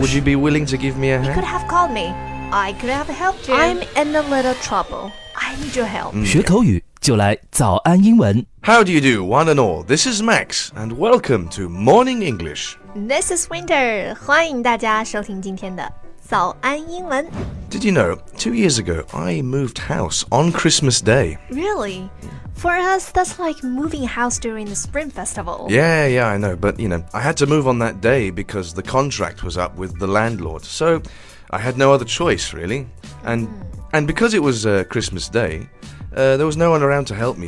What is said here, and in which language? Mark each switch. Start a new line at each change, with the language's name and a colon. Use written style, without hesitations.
English: Would you be willing to give me a hand? You could have called me. I could have helped you. I'm in a little trouble. I need your help.
Chinese: 学口语就来早安英文。
English: How do you do, one and all? This is Max, and welcome to Morning English. This is Winter.
Chinese: 欢迎大家收听今天的早安英文。
English: Did you know, 2 years ago, I moved house on Christmas Day. Really? For us, that's like moving house during the Spring Festival. Yeah, I know. But, you know, I had to move on that day because the contract was up with the landlord. So I had no other choice, really. And because it was Christmas Day, there was no one around to help me.